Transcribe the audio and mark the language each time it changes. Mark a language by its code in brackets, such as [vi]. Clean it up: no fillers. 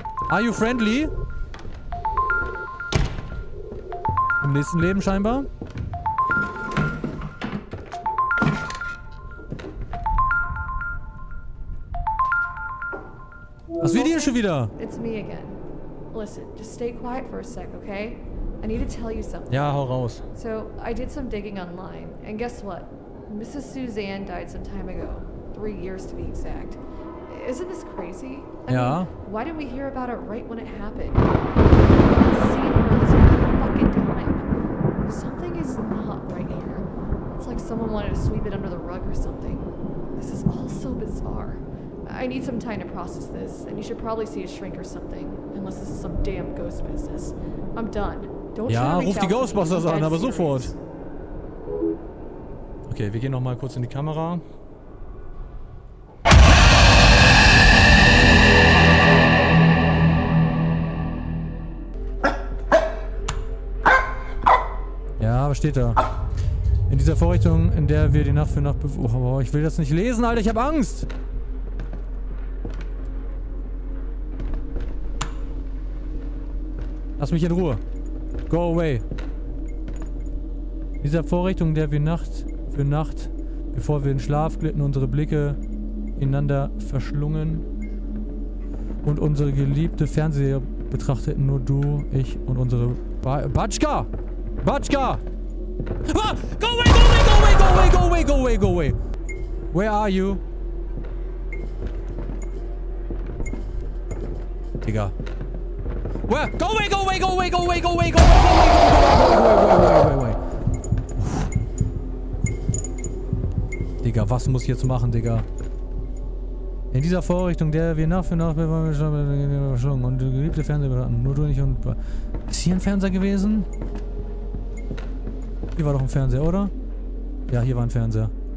[en] Are you friendly? [de] Im nächsten Leben scheinbar. Was wird hier schon wieder? [en] It's me again. Listen, just stay quiet for a sec, okay? I need to tell you something. [de] Ja, hau raus. [en] So, I did some digging online, and guess what? Mrs. Suzanne died some time ago. 3 years to be exact. Isn't this crazy? I mean, why didn't we hear about it right when it happened? I've seen her this whole fucking time. Something is not right here. It's like someone wanted to sweep it under the rug or something. This is all so bizarre. I need some time to process this, and you should probably see a shrink or something. Unless this is some damn ghost business. I'm done. Don't [de] ja, ruf die Ghostbusters an, aber sofort. Okay, wir gehen noch mal kurz in die Kamera. Ja, was steht da? In dieser Vorrichtung, in der wir die Nacht für Nacht bewohnen. Oh, ich will das nicht lesen, Alter, ich hab Angst! Lass mich in Ruhe. [en] Go away. [de] In dieser Vorrichtung, in der wir Nacht für Nacht, bevor wir in Schlaf glitten, unsere Blicke ineinander verschlungen und unsere geliebte Fernseher betrachteten, nur du, ich und unsere Batschka! Batschka! Ah! [en] Go away, go away, go away, go away, go away, go away, go away! Where are you? Digga. Where? Go away, go away, go away, go away, go away, go away, go away, go away, go away, go away, go away, go away. [de] Digga, was muss ich jetzt machen, Digga? In dieser Vorrichtung, der wir nach für nach schon und geliebte Fernseher hatten, nur du und ich und... Ist hier ein Fernseher gewesen? Hier war doch ein Fernseher, oder? Ja, hier war ein Fernseher.